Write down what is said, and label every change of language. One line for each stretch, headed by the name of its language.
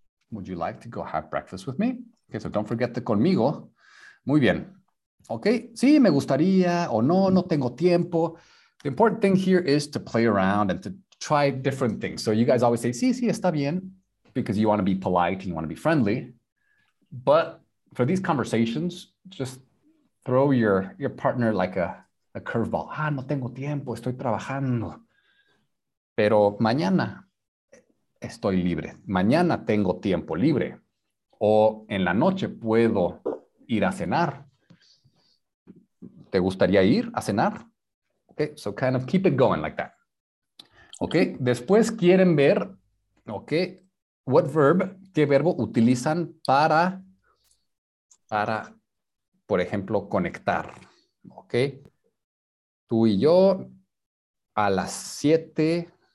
English: Would you like to go have breakfast with me? Okay, so don't forget the conmigo.
Spanish: Muy bien. Okay, sí, me gustaría, o no tengo tiempo.
English: The important thing here is to play around and to try different things. So you guys always say,
Spanish: sí, está bien,
English: because you want to be polite and you want to be friendly. But for these conversations, just throw your partner like a curveball.
Spanish: Ah, no tengo tiempo, estoy trabajando. Pero mañana estoy libre. Mañana tengo tiempo libre. O en la noche puedo ir a cenar. ¿Te gustaría ir a cenar?
English: Okay, so kind of keep it going like that.
Spanish: Okay, después quieren ver, okay,
English: what verb,
Spanish: qué verbo utilizan para por ejemplo, conectar, ¿ok? Tú y yo a las 7.